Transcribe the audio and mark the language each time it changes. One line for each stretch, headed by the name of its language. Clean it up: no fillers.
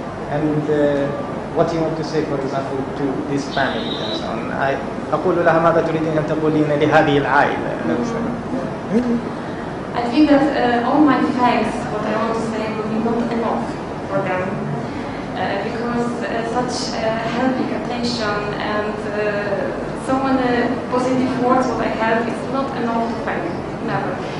English: And what you want to say for example to this family and so on.
Arabic: I أقول لها ماذا تريدين أن تقولين لهذه العائلة؟
English: I think that all my thanks, what I want to say, will be not enough for them, because such helping attention and so many positive words what I have is not enough to thank, never.